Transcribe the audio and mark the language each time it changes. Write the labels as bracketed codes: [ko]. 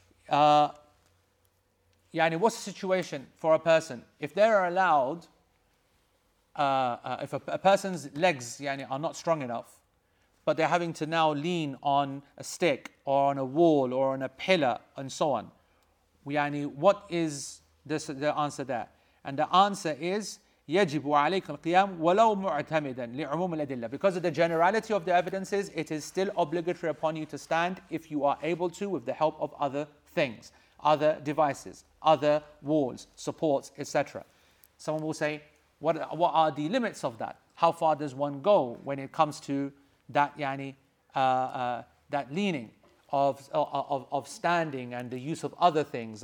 [en] يعني what's the situation for a person? If they are allowed, if a person's legs يعني are not strong enough, but they're having to now lean on a stick or on a wall or on a pillar and so on, يعني what is this, the answer there? And the answer is, [ar] يجب عليك القيام ولو معتمدا لعموم الأدلة. [en] Because of the generality of the evidences, it is still obligatory upon you to stand if you are able to, with the help of other things, other devices, other walls, supports, etc. Someone will say, what are the limits of that? How far does one go when it comes to that yani that leaning of standing and the use of other things?